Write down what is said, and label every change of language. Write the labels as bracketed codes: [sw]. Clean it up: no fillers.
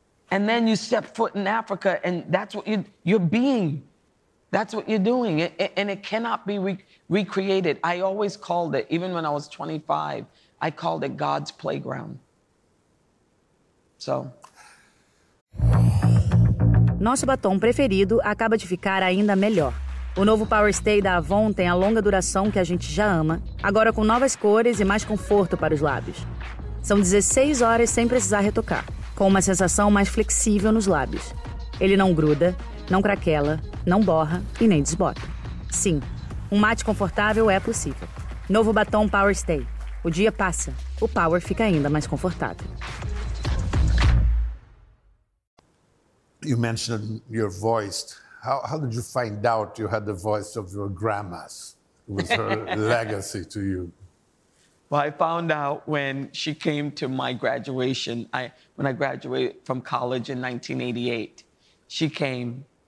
[en] And then you step foot in Africa and that's what you're being. That's what you're doing, and it cannot be recreated. I always called it, even when I was 25, I called it God's playground. So. [pt] Nosso batom preferido acaba de ficar ainda melhor. O novo Power Stay da Avon tem a longa duração que a gente já ama, agora com novas cores e mais conforto para os lábios. São 16 horas sem precisar retocar, com uma sensação mais flexível nos lábios. Ele não gruda, não craquela, não borra e nem desbota. Sim, um mate confortável é possível. Novo batom Power Stay. O dia passa, o power fica ainda mais confortável. [en] You mentioned your voice. How did you find out you had the voice of your grandma's? It was her legacy to you. Well, I found out when she came to my graduation. When I graduated from college in 1988, she came.